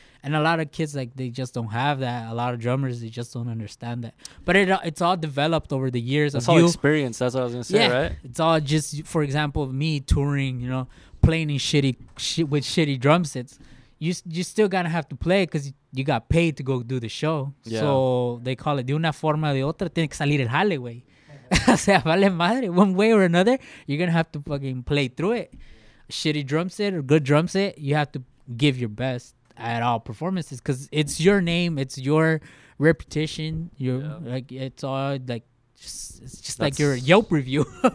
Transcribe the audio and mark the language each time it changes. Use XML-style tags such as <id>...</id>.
<en>And a lot of kids, like, they just don't have that. A lot of drummers, they just don't understand that. But it's all developed over the years. That's all experience. That's what I was going to say, yeah. Right? It's all just, for example, me touring, you know, playing in with shitty drum sets. You still gonna have to play because you got paid to go do the show. Yeah. So they call it,</en> <es>de una forma de otra, tiene que salir el jale, güey. O sea, vale madre.</es> <en>One way or another, you're going to have to fucking play through it. Shitty drum set or good drum set, you have to give your best at all performances, because it's your name, it's your reputation, it's like your Yelp review.</en>